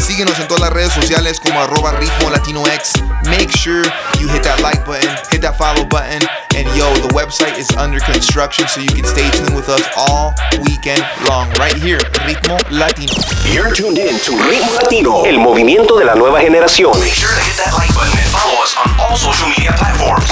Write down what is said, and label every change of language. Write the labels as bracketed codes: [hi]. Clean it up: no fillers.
[es] Síguenos en todas las redes sociales como arroba Ritmo Latino X. [en] Make sure you hit that like button, hit that follow button. And yo, the website is under construction, so you can stay tuned with us all weekend long right here, Ritmo Latino. You're tuned in to Ritmo Latino, [es] el movimiento de la nueva generación. [en] Make sure to hit that like button and follow us on all social media platforms.